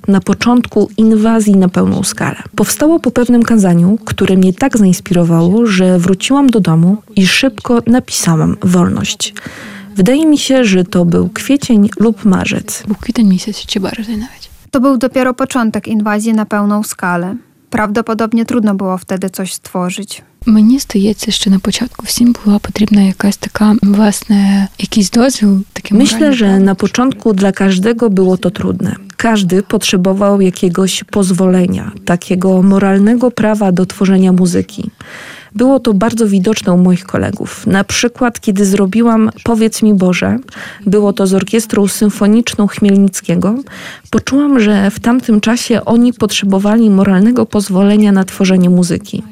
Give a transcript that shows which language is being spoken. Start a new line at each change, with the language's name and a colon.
Polish: Na początku inwazji na pełną skalę. Powstało po pewnym kazaniu, które mnie tak zainspirowało, że wróciłam do domu i szybko napisałam Wolność. Wydaje mi się, że to był kwiecień lub marzec. Był kwiecień miesiąc, czy bardziej nawet. To był dopiero początek inwazji na pełną skalę. Prawdopodobnie trudno było wtedy coś stworzyć.
Ukrainian: Мені здається, що на початку всім була потрібна якась така, власне, якийсь дозвіл.
Polish: Myślę, że na początku dla każdego było to trudne. Każdy potrzebował jakiegoś pozwolenia, takiego moralnego prawa do tworzenia muzyki. Było to bardzo widoczne u moich kolegów. Na przykład, kiedy zrobiłam Powiedz mi Boże, było to z Orkiestrą Symfoniczną Chmielnickiego, poczułam, że w tamtym czasie oni potrzebowali moralnego pozwolenia na tworzenie muzyki.